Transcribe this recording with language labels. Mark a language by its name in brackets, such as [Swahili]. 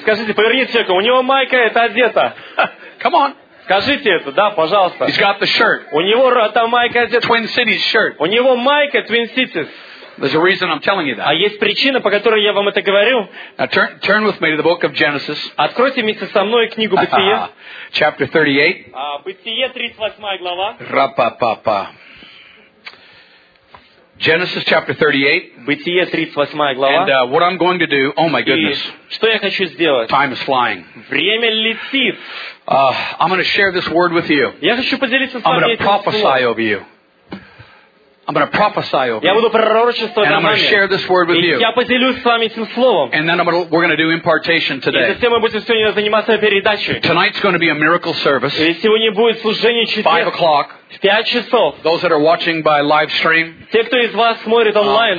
[Russian] Скажите, поверните человеку, у него майка это одета. [English] Come on. [Russian] Скажите это, да, пожалуйста. [English] He's got the shirt. [Russian] У него там майка одета. [English] Twin Cities shirt. [Russian] У него майка Twin Cities. [English] There's a reason I'm telling you that. [Russian] А есть причина, по которой я вам это говорю. [English] Now turn with me to the book of Genesis. [Russian] Откройте вместе со мной книгу Бытие. [English] Chapter 38. [Russian] Бытие 38 глава. Ра-па-па-па. [English] Genesis chapter 38. [Russian] Бытие 38 глава. [English] And what I'm going to do? Oh my goodness. [Russian] Что я хочу сделать? [English] Time is flying. [Russian] Время летит. [English] I'm going to share this word with you. [Russian] Я хочу поделиться с вами. [English] I'm going to prophesy over you. I'm going to prophesy over you. [Russian] Я буду пророчествовать над вами. [English] And I'm going to share this word with you. [Russian] Я поделюсь с вами этим словом. [English] And then we're going to do impartation today. [Russian] И затем мы будем сегодня заниматься передачей. [English] Tonight's going to be a miracle service. И сегодня будет служение чудес. 5:00. [Russian] В 5:00. [English] Those that are watching by live stream. [Russian] Те, кто из вас смотрит онлайн.